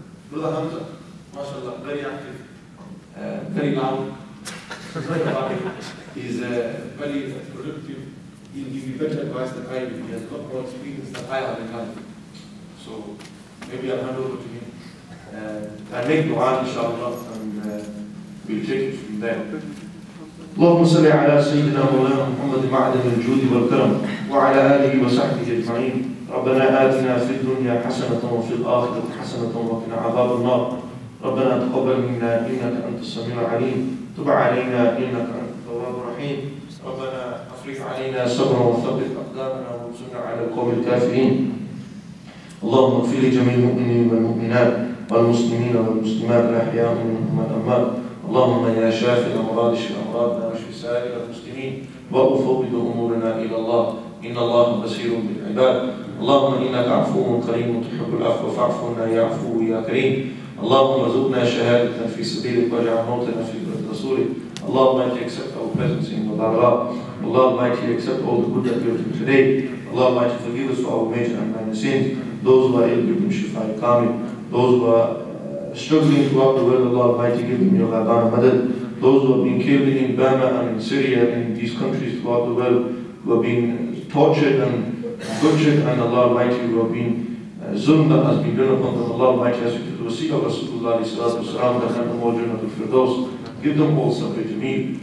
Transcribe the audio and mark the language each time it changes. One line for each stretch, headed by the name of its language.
English: Brother Hamza, mashallah, very active, very loud, very happy. He's very productive. He'll give you better advice than I do. He has got more experience than I have in life. So maybe I'll hand over to him. I make dua, inshallah, and we'll take it from there.
Arabic: اللهم صل على سيدنا مولانا محمد معدن الجود والكرم وعلى اله وصحبه اجمعين. ربنا اتنا في الدنيا حسنه وفي الاخره حسنه وقنا عذاب النار. ربنا تقبل منا انك انت السميع العليم. تب علينا انك انت التواب الرحيم. ربنا افرغ علينا صبرا وثبت اقدامنا وانصرنا على القوم الكافرين. اللهم اغفر لجميع المؤمنين والمؤمنات والمسلمين والمسلمات الاحياء منهم والاموات. اللهم يا شافي الامراض اشف امراضنا واشف سائر المسلمين وافوض امورنا الى الله ان الله بصير بالعباد. اللهم انك عفو كريم تحب العفو فاعف عنا يا عفو يا كريم. اللهم ارزقنا شهادة في سبيلك واجعل موتنا في بلد رسولك. اللهم اجعل
English: accept our presence in the Barra. اللهم اجعل accept all the good that you have done today.
Arabic: اللهم اجعل
English: forgive us for our major and minor sins. Those who are ill, give them shifa and calming. Those who are struggling throughout the world, Allah Almighty, give them your Rabbana Madad. Those who have been killed in Burma and in Syria and in these countries throughout the world, who have been tortured and butchered, and Allah Almighty, who have been zulm that has been done upon them, Allah Almighty, as you can see of Rasulullah Sallallahu Alaihi Wasallam, the Firdaus, give them all subject to me.